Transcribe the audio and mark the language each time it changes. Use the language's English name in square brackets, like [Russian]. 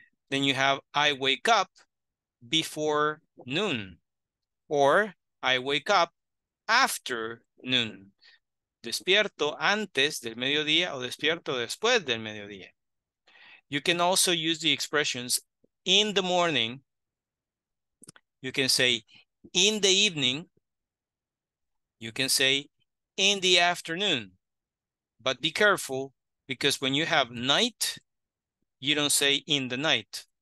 [English] Then you have I wake up before noon. Or I wake up after noon. [Spanish] Despierto antes del mediodía o despierto después del mediodía. [English] You can also use the expressions in the morning. You can say in the evening. You can say in the afternoon. But be careful, because when you have night, you don't say in the night.